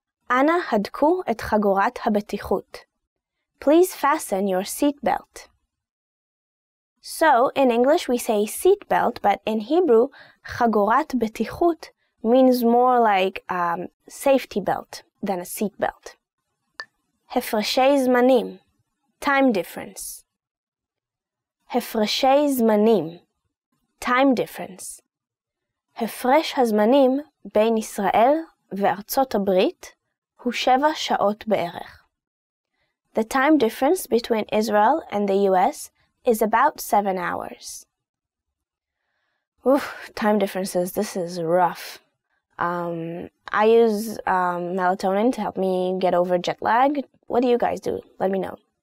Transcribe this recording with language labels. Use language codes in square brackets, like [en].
[he] אנא הדקו את חגורת הבטיחות. [en] Please fasten your seatbelt. So, in English we say seatbelt, but in Hebrew, [he] חגורת בטיחות [en] means more like a safety belt than a seatbelt. [he] הפרשי זמנים. [en] Time difference. [he] הפרשי זמנים. [en] Time difference. [he] הפרש הזמנים בין ישראל וארצות הברית הוא 7 שעות בערך. [en] The time difference between Israel and the US is about 7 hours. Oof, time differences, this is rough. I use melatonin to help me get over jet lag. What do you guys do? Let me know.